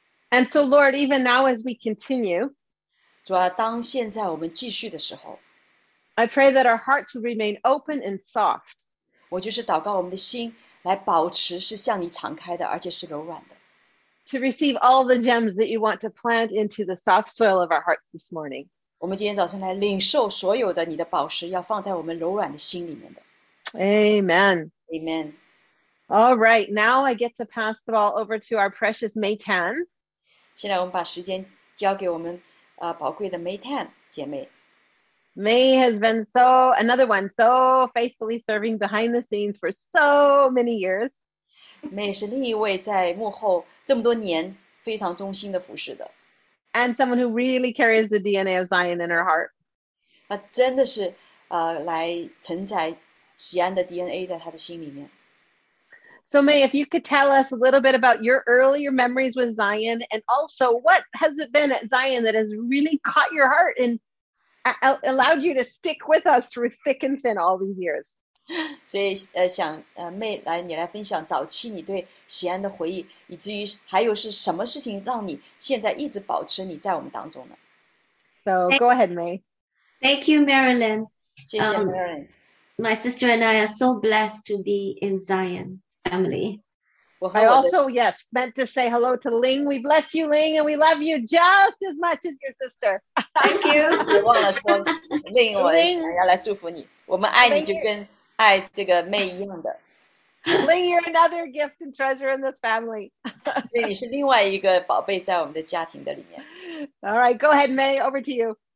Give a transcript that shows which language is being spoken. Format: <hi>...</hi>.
<en>And so, Lord, even now as we continue,</en> <zh>主啊，当现在我们继续的时候</zh> <en>，I pray that our hearts will remain open and soft.</en> <zh>我就是祷告我们的心来保持是向你敞开的，而且是柔软的。</zh> <en>to receive all the gems that you want to plant into the soft soil of our hearts this morning.</en> <zh>我们今天早上来领受所有的你的宝石，要放在我们柔软的心里面的。</zh> <en>Amen. Amen. All right, now I get to pass the ball over to our precious May Tan.</en> <zh>现在我们把时间交给我们宝贵的 May Tan 姐妹。</zh> <en>May has been so, another one, so faithfully serving behind the scenes for so many years.</en> <zh>May 是另一位在幕后这么多年非常忠心的服侍的。</zh> <en>And someone who really carries the DNA of Zion in her heart.</en> <zh>她真的是来承载锡安的 DNA 在她的心里面。</zh> <en>So May, if you could tell us a little bit about your earlier memories with Zion, and also what has it been at Zion that has really caught your heart and allowed you to stick with us through thick and thin all these years?</en> <zh>所以想May来你来分享早期你对锡安的回忆，以至于还有是什么事情让你现在一直保持你在我们当中呢？</zh> <en>So go ahead, May. Thank you, Marilyn. 谢谢 Marilyn. My sister and I are so blessed to be in Zion. Family. I also, yes, meant to say hello to Ling. We bless you, Ling, and we love you just as much as your sister. Thank you.</en> <zh>Ling, 我想要来祝福你。我们爱你就跟爱这个妹一样的。</zh> <en>Ling, you're another gift and treasure in this family.</en> <zh>你是另外一个宝贝在我们的家庭的里面。</zh> <en>All right, go ahead, May, over to you.</en>